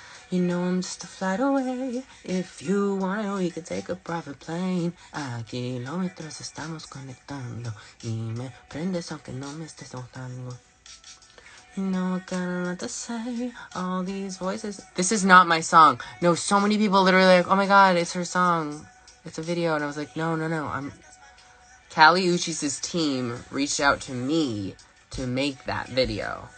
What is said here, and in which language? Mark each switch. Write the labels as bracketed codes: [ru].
[en] You know I'm just a flight away. If you want it, we could take a private plane. [es] A kilómetros estamos conectando. Y me prendes aunque no me estés notando. [en] You know I got a lot to say. All these voices. This is not my song. No, so many people literally like, oh my god, it's her song. It's a video. And I was like, no. I'm Cali Uchis' team reached out to me to make that video.